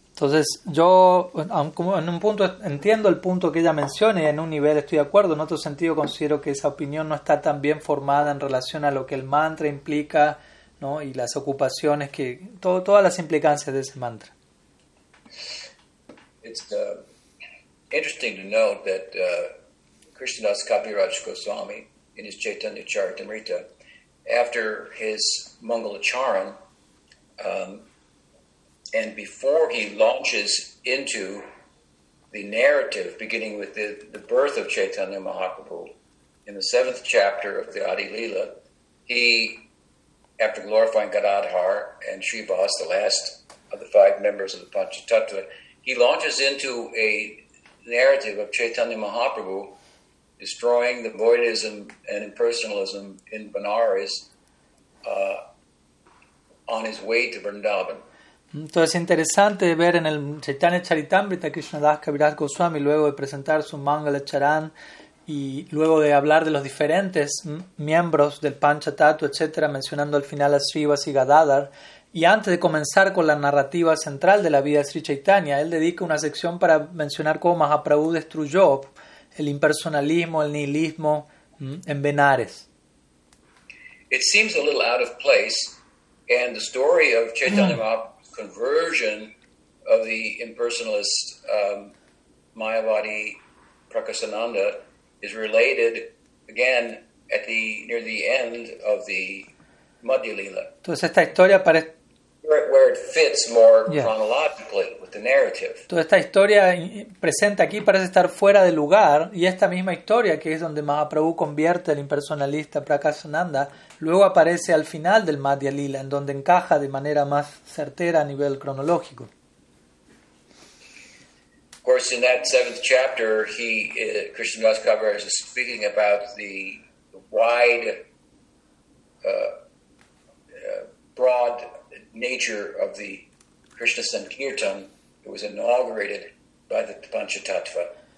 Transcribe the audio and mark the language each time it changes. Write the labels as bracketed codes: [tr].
[es] Entonces, yo en un punto entiendo el punto que ella menciona y en un nivel estoy de acuerdo. En otro sentido, considero que esa opinión no está tan bien formada en relación a lo que el mantra implica, ¿no? Y las ocupaciones, que todas las implicancias de ese mantra. [en] It's interesting to note that Krishnadas Kaviraj Goswami, in his Chaitanya Charitamrita, after his Mangalacharan, and before he launches into the narrative, beginning with the birth of Chaitanya Mahaprabhu, in the seventh chapter of the Adi Lila, he after glorifying Gadadhar and Srivas, the last of the five members of the Panchatattva, he launches into a narrative of Chaitanya Mahaprabhu destroying the voidism and impersonalism in Benares on his way to Vrindavan. [es] Entonces es interesante ver en el Chaitanya Charitamrita Krishna Das Kaviraj Goswami, luego de presentar su Mangala Charan y luego de hablar de los diferentes miembros del Panchatattva, etc., mencionando al final a Srivas y Gadadhar, y antes de comenzar con la narrativa central de la vida de Sri Chaitanya, él dedica una sección para mencionar cómo Mahaprabhu destruyó el impersonalismo, el nihilismo en Benares. [en] It seems a little out of place, and the story of Chaitanya Mahaprabhu's conversion of the impersonalist Mayavadi Prakasananda is related again at the near the end of the Madhyalila. [es] Entonces esta historia [en] where it fits more chronologically with the narrative. [es] Entonces esta historia presente aquí parece estar fuera de lugar, y esta misma historia, que es donde Mahaprabhu convierte al impersonalista Prakasananda, luego aparece al final del Madhyalila, en donde encaja de manera más certera a nivel cronológico. [en] Of course, in that seventh chapter, Krishna Das Kaviraj is speaking about the wide, broad nature of the Krishna Sankirtan that was inaugurated by the Panchatattva.